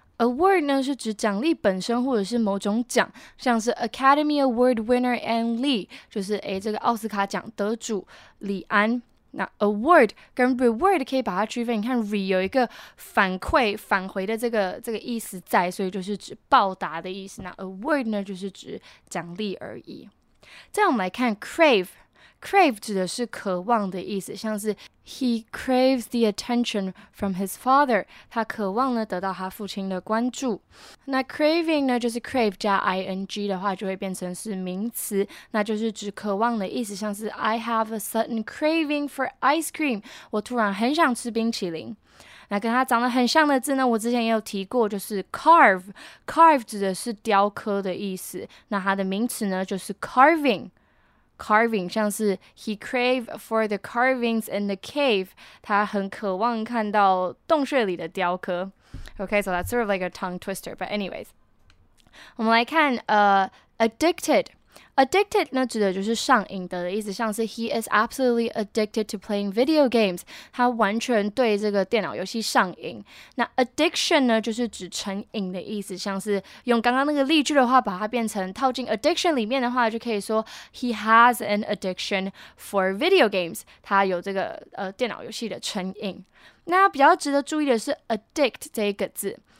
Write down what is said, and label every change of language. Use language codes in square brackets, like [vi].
[zh] Award 呢是指奖励本身或者是某种奖，像是 Academy Award winner Ann Lee， 就是这个奥斯卡奖得主李安。那 award 跟 reward 可以把它区分，你看 re 有一个反馈、返回的这个意思在，所以就是指报答的意思。那 award 呢就是指奖励而已。再我们来看 crave。 Crave 指的是渴望的意思，像是 [en] He craves the attention from his father. [zh] 他渴望呢得到他父亲的关注。那 craving 呢就是 crave 加 ing 的话就会变成是名词，那就是指渴望的意思，像是 [en] I have a sudden craving for ice cream. [zh] 我突然很想吃冰淇淋。那跟它长得很像的字呢，我之前也有提过，就是 carve. Carve 指的是雕刻的意思，那它的名词呢就是 carving. Carving, 像是 [en] he craved for the carvings in the cave. [zh] 他很渴望看到洞穴里的雕刻。 [en] Okay, so that's sort of like a tongue twister. But anyways, [zh] 我们来看 [en] addicted. [zh] Addicted 呢指的就是上瘾的意思，像是 [en] he is absolutely addicted to playing video games. [zh] 他完全对这个电脑游戏上瘾。那 addiction 呢就是指成瘾的意思，像是用刚刚那个例句的话，把它变成套进 addiction 里面的话，就可以说 [en] he has an addiction for video games. [zh] 他有这个电脑游戏的成瘾。那比较值得注意的是 addict 这个字。